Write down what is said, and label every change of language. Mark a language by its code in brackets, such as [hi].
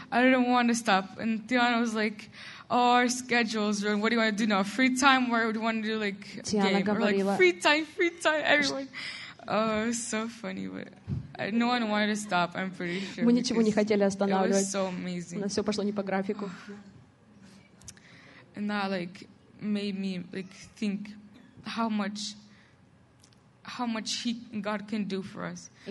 [en] I didn't want to stop, and Tiana was like, "Oh, our schedules are. What do you want to do now? Free time? Where would you want to do like game? Tiana говорила, or like free time, everyone." Oh, so funny, but no one wanted to stop. I'm pretty sure. [ru] Мы ничего не хотели останавливать. [en] It was so amazing. [ru] У нас все пошло не по графику. [en] And that like made me like think how much he God can do for us.